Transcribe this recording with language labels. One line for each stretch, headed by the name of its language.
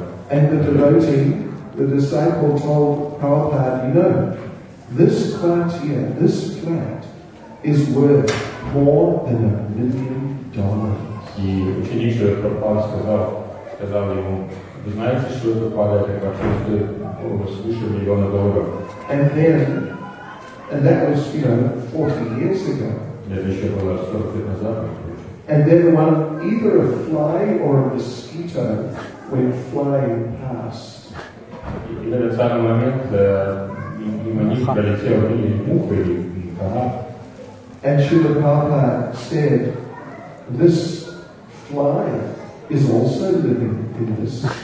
English: And the devotee, the disciple told Prabhupada, you know, this quartier, this flat, is worth more than $1 million.
Russian: И ученик же Прабхупада сказал ему, вы знаете, что это падает, как просто свыше миллиона долларов.
English: And then, and that was, you know, 40 years ago.
Russian: Это еще было 40 лет назад.
English: And then one, either a fly or a mosquito went flying past.
Russian: И в этот самый момент мимо них пролетели мухи или комары.
English: And Srila Prabhupada said, this fly is also living in this